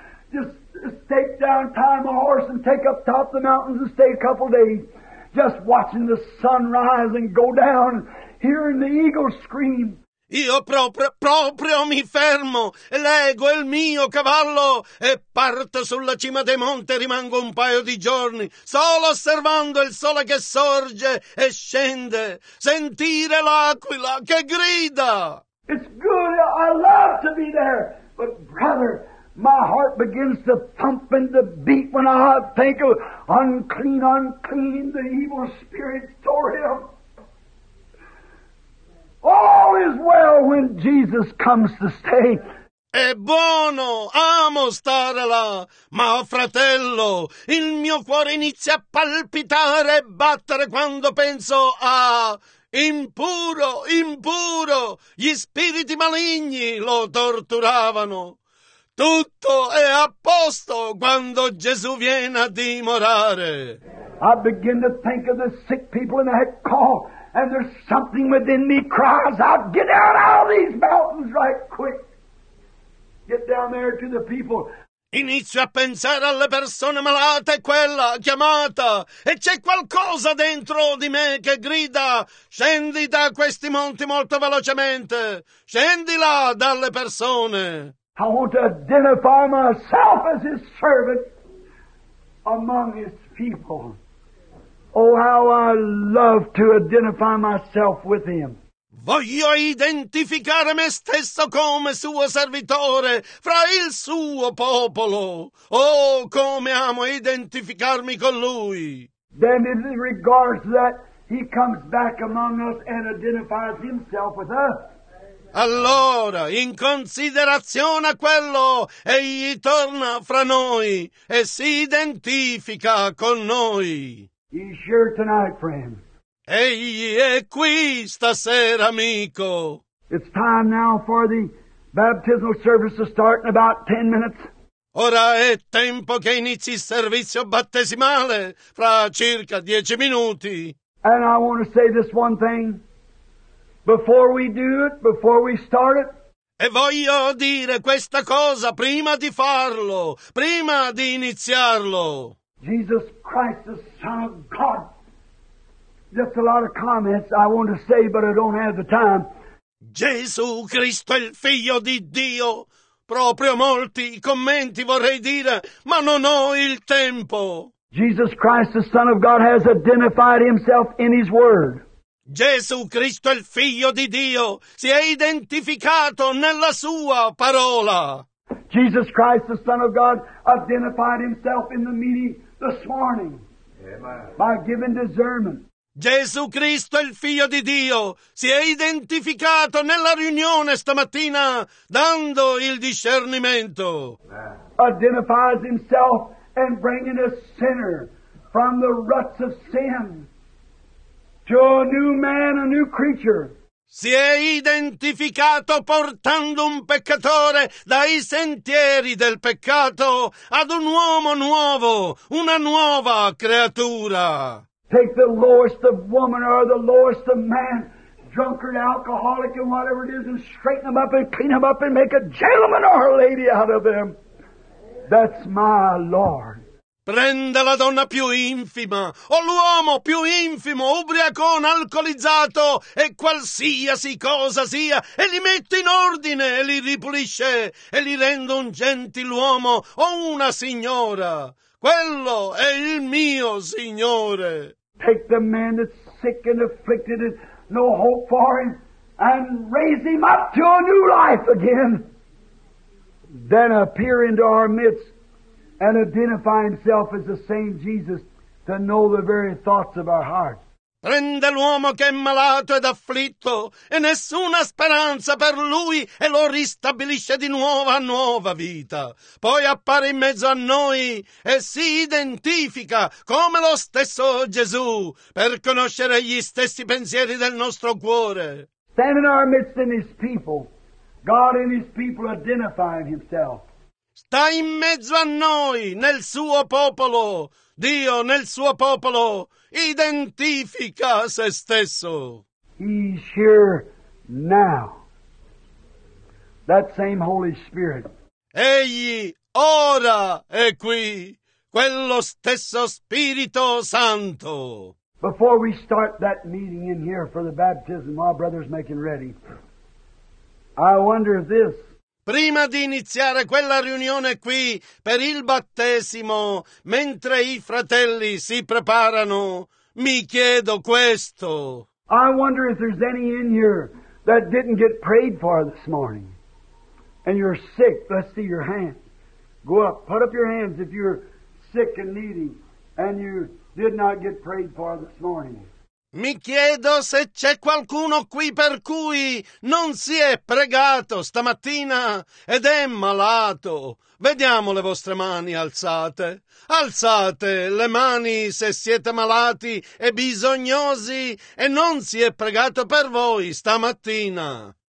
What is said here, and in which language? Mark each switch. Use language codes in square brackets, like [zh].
[en] Just take down, tie my horse and take up top the mountains and stay a couple days. Just watching the sun rise and go down, hearing the eagle scream. [it] Io proprio mi fermo, leggo il mio cavallo e parto sulla cima dei monti e rimango un paio di giorni, solo osservando il sole che sorge e scende, sentire l'aquila che grida. [en] It's good, I love to be there, but brother, my heart begins to thump and to beat when I think of unclean, unclean, the evil spirit tore him. All is well when Jesus comes to stay. [it] È buono, amo stare là, ma fratello, il mio cuore inizia a palpitare e battere quando penso a impuro, impuro, gli spiriti maligni lo torturavano. Tutto è a posto quando Gesù viene a dimorare. [en] I begin to think of the sick people in that call. And there's something within me cries out, get out of these mountains right quick. Get down there to the people. [it] Inizio a pensare alle persone malate, quella chiamata, e c'è qualcosa dentro di me che grida: scendi da questi monti molto velocemente, scendi là dalle persone. [en] I want to identify myself as his servant among his people. Oh, how I love to identify myself with him. [it] Voglio identificare me stesso come suo servitore fra il suo popolo. Oh, come amo identificarmi con lui. [en] Then in regards to that, he comes back among us and identifies himself with us. [it] Allora, in considerazione a quello, egli torna fra noi e si identifica con noi. [en] He's here tonight, friend. [it] Egli è qui stasera, amico. [en] It's time now for the baptismal service to start in about 10 minutes. [it] Ora è tempo che inizi il servizio battesimale fra circa 10 minuti. [en] And I want to say this one thing. Before we do it, before we start it. [it] E voglio dire questa cosa prima di farlo, prima di iniziarlo. [en] Jesus Christ, the Son of God. Just a lot of comments I want to say, but I don't have the time. [it] Gesù Cristo è il Figlio di Dio. Proprio molti commenti vorrei dire, ma non ho il tempo. [en] Jesus Christ, the Son of God, has identified himself in his word. [it] Gesù Cristo è il Figlio di Dio. Si è identificato nella sua parola. [en] Jesus Christ, the Son of God, identified himself in the meeting this morning. Amen. By giving discernment. [it] Gesù Cristo è il Figlio di Dio, si è identificato nella riunione stamattina dando il discernimento. [en] Identifies himself and bringing a sinner from the ruts of sin to a new man, a new creature. [it] Si è identificato portando un peccatore dai sentieri del peccato ad un uomo nuovo, una nuova creatura. [en] Take the lowest of woman or the lowest of man, drunkard, alcoholic, and whatever it is, and straighten them up and clean them up and make a gentleman or a lady out of them. That's my Lord. [it] Prende la donna più infima, o l'uomo più infimo, ubriacone, alcolizzato, e qualsiasi cosa sia, e li mette in ordine, e li ripulisce, e li rende un gentiluomo o una signora. Quello è il mio Signore. [en] Take the man that's sick and afflicted and no hope for him and raise him up to a new life again. Then appear into our midst and identify himself as the same Jesus to know the very thoughts of our hearts. [it] Prende l'uomo che è malato ed afflitto e nessuna speranza per lui e lo ristabilisce di nuovo a nuova vita. Poi appare in mezzo a noi e si identifica come lo stesso Gesù per conoscere gli stessi pensieri del nostro cuore. [en] Stand in our midst in his people. God and his people identifying himself. [it] Sta in mezzo a noi, nel suo popolo. Dio nel suo popolo identifica se stesso. [en] He's here now. That same Holy Spirit. [it] Egli ora è qui, quello stesso Spirito Santo. [en] Before we start that meeting in here for the baptism, our brother's making ready. I wonder this. [it] Prima di iniziare quella riunione qui per il battesimo, mentre i fratelli si preparano, mi chiedo questo. [en] I wonder if there's any in here that didn't get prayed for this morning. And you're sick, let's see your hands. Go up, put up your hands if you're sick and needy and you did not get prayed for this morning. [it] Mi chiedo se c'è qualcuno qui per cui non si è pregato stamattina ed è malato. Vediamo le vostre mani alzate. Alzate le mani se siete malati e bisognosi e non si è pregato per voi stamattina.